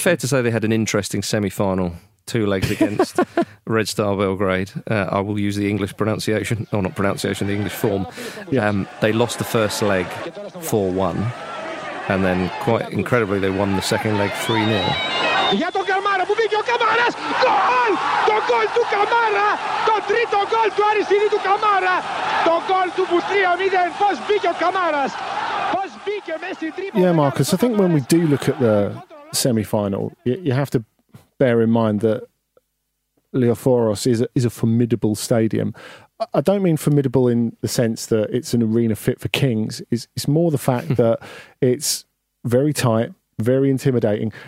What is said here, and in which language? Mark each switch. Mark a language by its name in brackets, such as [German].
[English] Fair to say they had an interesting semi final. Two legs against Red Star Belgrade. I will use the English pronunciation, or not pronunciation, the English form. Yeah. They lost the first leg 4-1, and then quite incredibly, they won the second leg 3-0. [Greek] Για τον Καμάρα που μπήκε ο Καμάρας, γκολ! Το γκολ του Καμάρα, το τρίτο γκολ του Αριστίδη του Καμάρα, το γκολ του που 3-0, πώς μπήκε ο Καμάρας, πώς μπήκε μέσα στην τρίπο. [English] Yeah, Marcus, I think when we do look at the semi-final, you have to bear in mind that Leophoros is a formidable stadium. I don't mean formidable in the sense that it's an arena fit for kings. It's more the fact that it's very tight, very intimidating.